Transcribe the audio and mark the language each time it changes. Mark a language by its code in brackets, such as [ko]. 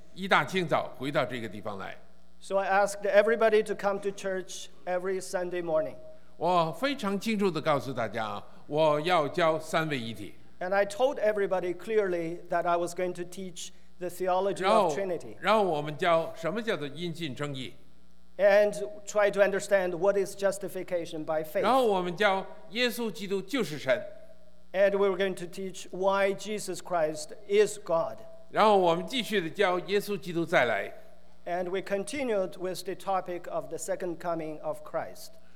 [zh] 我要求弟兄姊妹都在礼拜天一大清早回到这个地方来。 [en] So I asked everybody to come to church every Sunday morning. [zh] 我非常清楚地告诉大家，我要教三位一体。 [en] And I told everybody clearly that I was going to teach the theology of Trinity. [zh] 然后我们教什么叫做因信称义。 [en] And try to understand what is justification by faith. [zh] 然后我们教耶稣基督就是神。 [en] And we were going to teach why Jesus Christ is God. [zh] 然后我们继续地教耶稣基督再来。 [en] And we continued with the topic of the second coming of Christ.